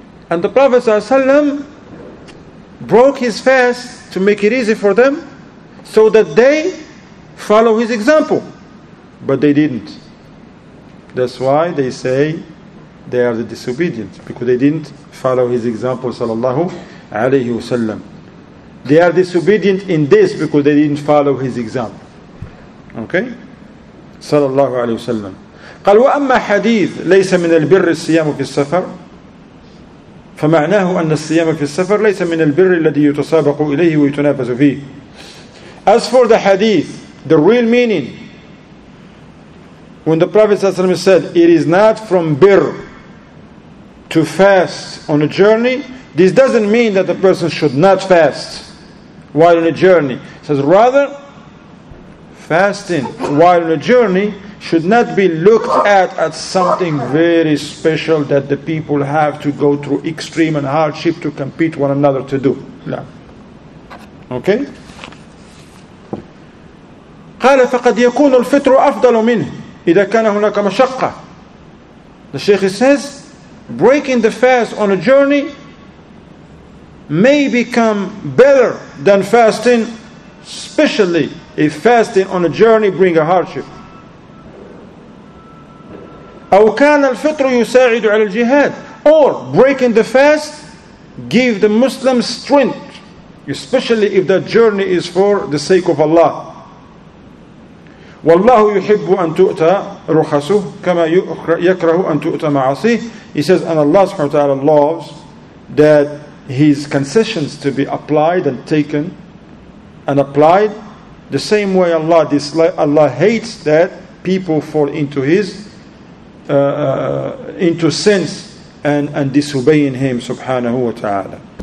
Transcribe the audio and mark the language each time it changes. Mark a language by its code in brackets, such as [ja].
[en] And the Prophet ﷺ broke his fast to make it easy for them so that they follow his example. But they didn't. That's why they say they are the disobedient, because they didn't follow his example sallallahu alayhi wasallam. They are disobedient in this because they didn't follow his example. Okay? [ar] صلى الله عليه وسلم قال وأما حديث ليس من البر الصيام في السفر فمعناه أن الصيام في السفر ليس من البر الذي يتسابق إليه ويتنافس فيه. [en] As for the hadith, the real meaning when the Prophet صلى الله عليه وسلم said it is not from birr to fast on a journey, this doesn't mean that the person should not fast while on a journey. It says rather fasting while on a journey should not be looked at something very special that the people have to go through extreme and hardship to compete one another to do. No. Okay? [ar] قال فقد يكون الفطر أفضل منه إذا كان هناك مشقة. [en] The Sheikh says, breaking the fast on a journey may become better than fasting, especially if fasting on a journey bring a hardship. [ar] أو كان الفطر يساعد على الجهاد. [en] Or breaking the fast give the Muslim strength, especially if that journey is for the sake of Allah. [ar] والله يحب أن تؤتى رخصه كما يكره أن تؤتى معصيه. [en] He says, and Allah subhanahu wa ta'ala loves that His concessions to be applied and taken and applied the same way Allah dislike, Allah hates that people fall into His into sins and disobeying Him subhanahu wa ta'ala.